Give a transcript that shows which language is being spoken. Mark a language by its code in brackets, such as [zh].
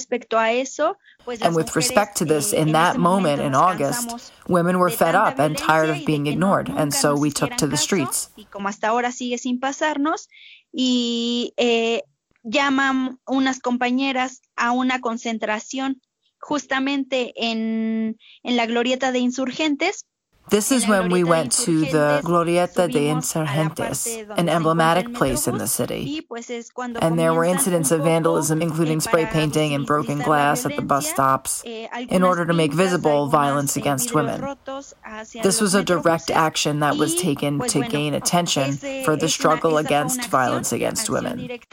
[en] And with respect to this, in that moment in August, women were fed up and tired of being ignored, and so we took to the streets. [es] Y como hasta ahora sigue sin pasarnos, y llaman unas compañeras a una concentración justamente en la Glorieta de Insurgentes. [en] This is when we went to the Glorieta de Insurgentes, an emblematic place in the city. And there were incidents of vandalism, including spray painting and broken glass at the bus stops, in order to make visible violence against women. This was a direct action that was taken to gain attention for the struggle against violence against women.